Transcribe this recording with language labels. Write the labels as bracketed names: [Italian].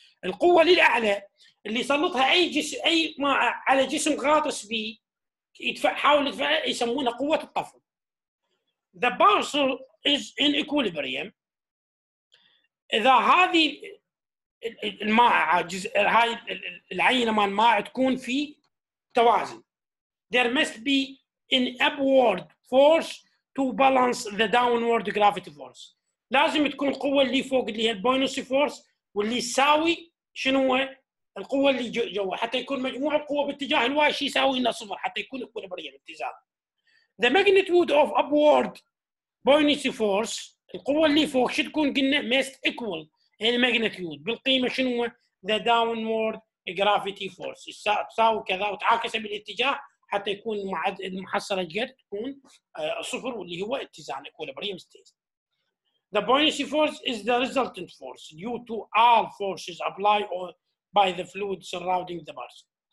[Arabic] القوة للأعلى اللي يسلطها أي جسم أي ما على جسم غاطس به يحاول يدفع يسمونها قوة الطفو. [English] The parcel is in equilibrium. [Arabic] إذا هذه المائعة جزء هاي العينة مال المائعة تكون في توازن. [English] There must be an upward force to balance the downward gravity force. [Arabic] لازم تكون القوة اللي فوق اللي هي buoyancy force واللي يساوي شنو القوة اللي جوا حتى يكون مجموع القوة باتجاه الواي شي يساوي لنا صفر حتى يكون equilibrium اتزان. [English] The magnitude of upward buoyancy force [Arabic] القوة اللي فوق شو تكون قلنا [English] must equal the magnitude [Arabic] بالقيمة شنو [English] the downward [Arabic] جرافيتي فورس تساوي كذا وتعاكس بالاتجاه حتى يكون المحصله الجد تكون صفر واللي هو اتزان اكوليبريم ستيت. [English] The buoyancy force is the resultant force due to all forces applied or by the fluid surrounding the bars.